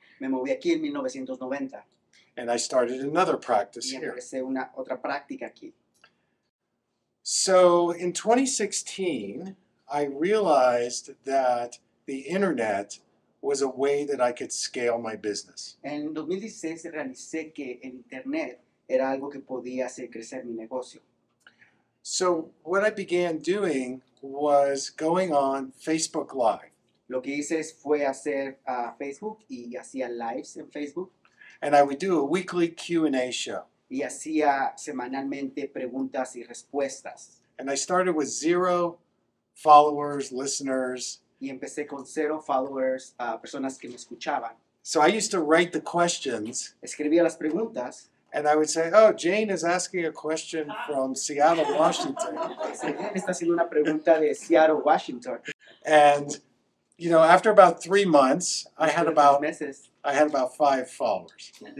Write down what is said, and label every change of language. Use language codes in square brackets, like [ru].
[es] Me moví aquí en 1990. [en] And I started another practice [es] y empecé una, otra práctica aquí. [en] So in 2016, I realized that the internet was a way that I could scale my business. [es] En 2016, realicé que el internet era algo que podía hacer crecer mi negocio. [en] So what I began doing was going on Facebook Live. [es] Lo que hice fue hacer Facebook y hacía lives en Facebook. [en] And I would do a weekly Q&A show. [es] Y hacía semanalmente preguntas y respuestas. [en] And I started with 0 followers, listeners. [es] Y empecé con 0 followers, personas que me escuchaban. [en] So I used to write the questions. [es] Escribía las preguntas. [en] And I would say, oh, Jane is asking a question from Seattle, Washington. [es] Está haciendo una pregunta de Seattle, Washington. [en] And you know, after about 3 months, I had about 5 followers.